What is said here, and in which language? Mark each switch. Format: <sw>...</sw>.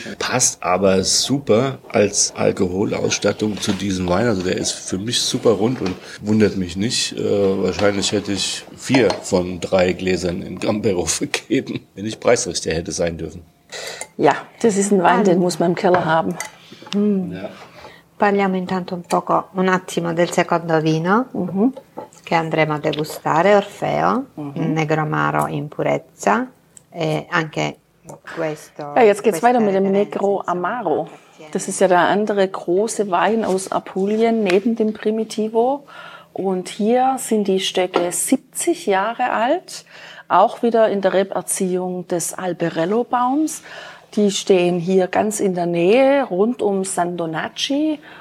<de>Passt aber super als Alkoholausstattung zu diesem Wein. Also der ist für mich super rund und wundert mich nicht. Wahrscheinlich hätte ich 4 von 3 Gläsern in Gambero vergeben, wenn ich Preisrichter hätte sein dürfen. Ja, das ist ein Wein, den muss man im Keller haben. Hm. Ja.</de> <it>Parliamo intanto un poco, un attimo del secondo vino che andremo a degustare, Orfeo, Negromaro in purezza e anche questo.</it> <de>Ja, jetzt geht's weiter mit dem Negro Amaro. Das ist ja der andere große Wein aus Apulien neben dem Primitivo. Und hier sind die Stöcke 70 Jahre alt, auch wieder in der Reberziehung des Alberello-Baums. Die stehen hier ganz in der Nähe, rund um San Donaci.</de>